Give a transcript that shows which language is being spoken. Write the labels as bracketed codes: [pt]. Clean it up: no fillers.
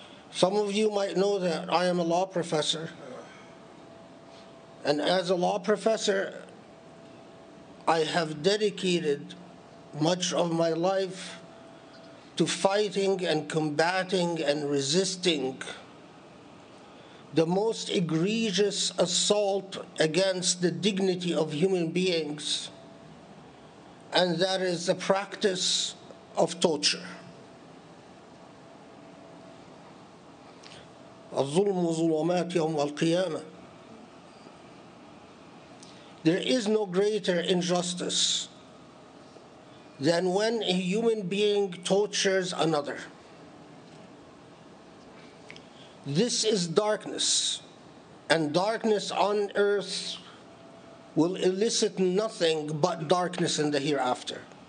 [en] Some of you might know that I am a law professor. And as a law professor, I have dedicated much of my life to fighting and combating and resisting the most egregious assault against the dignity of human beings, and that is the practice of torture. [ar] الظلم ظلمات يوم القيامة. [en] There is no greater injustice than when a human being tortures another. This is darkness, and darkness on earth will elicit nothing but darkness in the hereafter.